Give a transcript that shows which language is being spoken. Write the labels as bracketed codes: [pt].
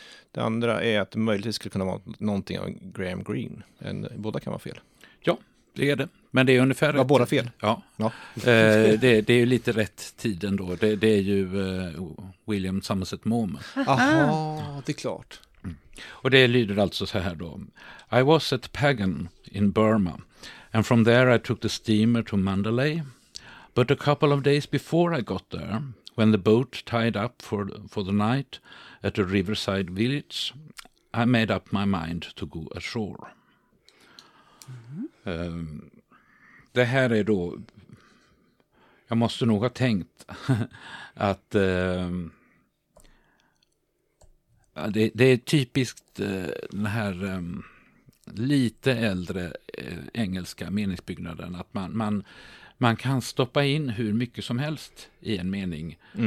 [sv] Det andra är att det möjligtvis skulle kunna vara någonting av Graham Greene. Båda kan vara fel. Ja, det är det. Men det är ungefär... Ja, båda fel. Ja. det är ju lite rätt tiden då. Det är ju William Somerset Maugham. Aha, det är klart. Och det lyder alltså så här då. [en] I was at Pagan in Burma, and from there I took the steamer to Mandalay. But a couple of days before I got there, when the boat tied up for the night at a riverside village, I made up my mind to go ashore. Mm-hmm. [sv] Det här är då, jag måste nog ha tänkt att... Det är typiskt den här lite äldre engelska meningsbyggnaden, att man kan stoppa in hur mycket som helst i en mening.